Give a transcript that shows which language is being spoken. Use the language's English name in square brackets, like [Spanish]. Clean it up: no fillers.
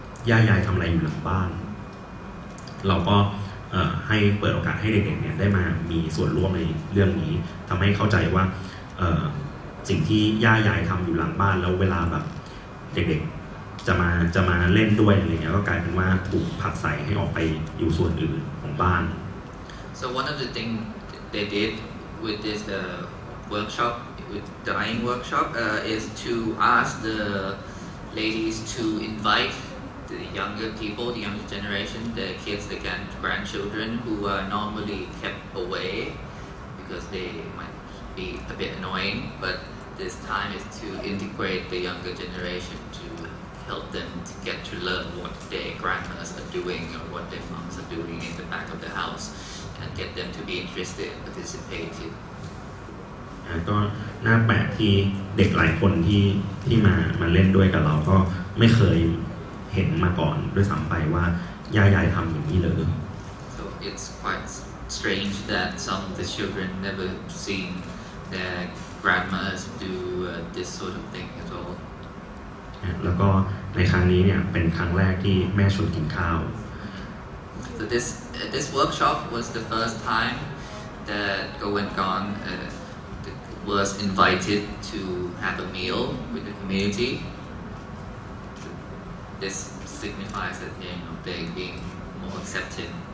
[Thai] ย่ายายทำอะไรอยู่หลังบ้านเราก็ให้เปิดโอกาสให้เด็กๆเนี่ยได้มามีส่วนร่วมในเรื่องนี้ทำให้เข้าใจว่าสิ่งที่ย่ายายทำอยู่หลังบ้านแล้วเวลาแบบเด็กๆจะมาเล่นด้วยอะไรเงี้ยก็กลายเป็นว่าถูกผลักไสให้ออกไปอยู่ส่วนอื่นของบ้าน [English] So one of the things they did with this workshop with dyeing workshop is to ask the ladies to invite the younger people the younger generation the kids the grandchildren who are normally kept away because they might be a bit annoying, but this time is to integrate the younger generation to help them to get to learn what their grandmas are doing or what their moms are doing in the back of the house and get them to be interested and participate in. [Thai] ก็น่าแปลกที่เด็กหลายคนที่มาเล่นด้วยกับเราก็ไม่เคยเห็นมาก่อนด้วยซ้ำไปว่าย่าทำอย่างนี้เลย [English] so it's quite strange that some of the children never seen their grandmas do this sort of thing at all [Thai] แล้วก็ในครั้งนี้เนี่ยเป็นครั้งแรกที่แม่ชวนกินข้าว [English] so this workshop was the first time that GoWentGoneWas invited to have a meal with the community. This signifies that they're being more accepting.